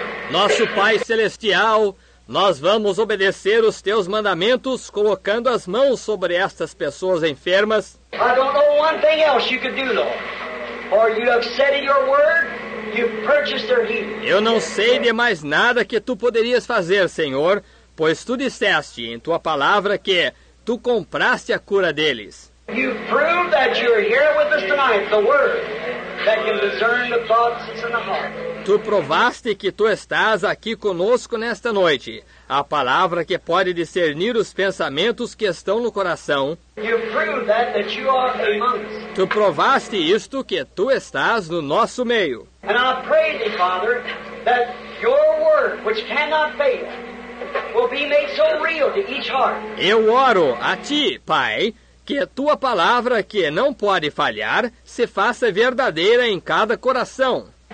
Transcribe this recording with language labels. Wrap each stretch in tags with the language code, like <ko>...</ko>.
<pt>Nosso Pai Celestial, nós vamos obedecer os teus mandamentos colocando as mãos sobre estas pessoas enfermas.</pt> <en>I don't know one thing else you could do, Lord. Or you have said in your word, you've purchased their healing.</en> <pt>Eu não sei de mais nada que tu poderias fazer, Senhor, pois tu disseste em tua palavra que tu compraste a cura deles.</pt> <en>You prove that you're here with us tonight, the word. That can discern the thoughts in the heart.</en> <pt>Tu provaste que tu estás aqui conosco nesta noite, a palavra que pode discernir os pensamentos que estão no coração.</pt> <en>You prove that you are among us.</en> <pt>Tu provaste isto que tu estás no nosso meio.</pt> <en>And I pray thee, Father, that your word, which cannot fail, will be made so real to each heart.</en> <pt>Eu oro a ti, Pai, que a tua palavra, que não pode falhar, se faça verdadeira em cada coração.</pt>